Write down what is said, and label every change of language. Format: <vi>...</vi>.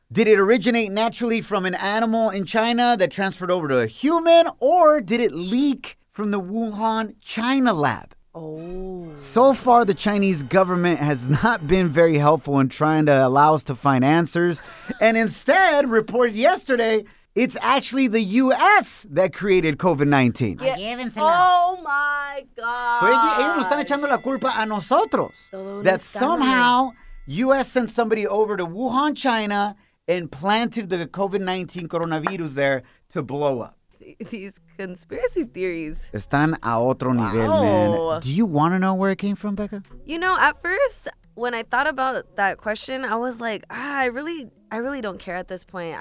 <en>Did it originate naturally from an animal in China that transferred over to a human, or did it leak from the Wuhan China lab? Oh. So far, the Chinese government has not been very helpful in trying to allow us to find answers, and instead reported yesterday it's actually the U.S. that created COVID-19. Oh, my God.</en> <es>So ellos nos están echando la culpa a nosotros.</es> <en>That somehow, U.S. sent somebody over to Wuhan, China, and planted the COVID-19 coronavirus there to blow up. These conspiracy theories.</en> <es>Están a otro nivel, man.</es> <en>Do you want to know where it came from, Becca? You know, at first, when I thought about that question, I was like, I really don't care at this point.</en>